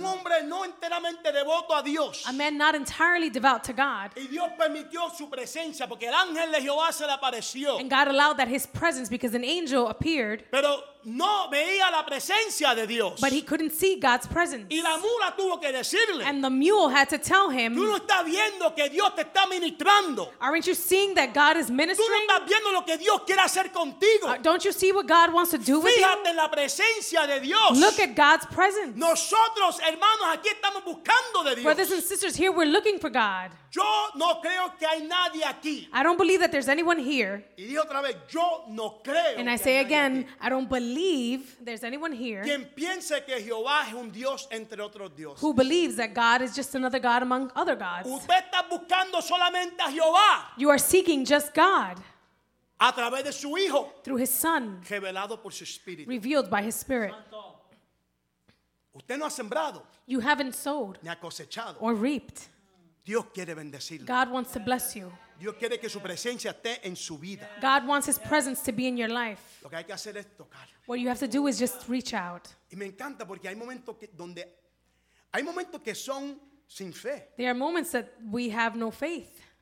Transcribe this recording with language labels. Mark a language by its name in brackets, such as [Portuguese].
[Spanish] Un hombre no enteramente devoto a Dios. [English] A man not entirely devout to God. [Spanish] Y Dios permitió su presencia porque el ángel de Jehová se le apareció. [English] And God allowed that his presence because an angel appeared. [Spanish] Pero no veía la presencia de Dios. [English] But he couldn't see God's presence. [Spanish] Y la mula tuvo que decirle. [English] And the mule had to tell him. [Spanish] Tú no estás viendo que Dios te está ministrando. [English] Aren't you seeing that God is ministering? [Spanish] Tú no estás viendo lo que Dios quiere hacer contigo. [English] don't you see what God wants to do [Spanish] Fíjate [English] with you? [Spanish] En la presencia de Dios. [English] Look at God's presence. [Spanish] Nosotros, hermanos, aquí estamos buscando de Dios. [English] Brothers and sisters, here we're looking for God. [Spanish] Yo no creo que hay nadie aquí. [English] I don't believe that there's anyone here. [Spanish] Y dijo otra vez, yo no creo. [English] And I say again, I don't believe there's anyone here. [Spanish] Quien piense que Jehová es un Dios entre otros dioses. [English] Who believes that God is just another God among other gods. [Spanish] Usted está buscando solamente a Jehová. [English] You are seeking just God. [Spanish] A través de su hijo. [English] Through his son. [Spanish] Revelado por su espíritu. [English] Revealed by his spirit. [Spanish] Usted no ha sembrado. [English] You haven't sowed. [Spanish] Ni ha cosechado. [English] Or reaped. [Spanish] Dios quiere bendecirlo. [English] God wants to bless you. [Spanish] Dios quiere que su presencia esté en su vida. [English] God wants his presence to be in your life. [Spanish] Lo que hay que hacer es tocar. [English] What you have to do is just reach out. [Spanish] Y me encanta porque hay momentos que donde hay momentos que son sin fe. [English] There are moments that we have no faith.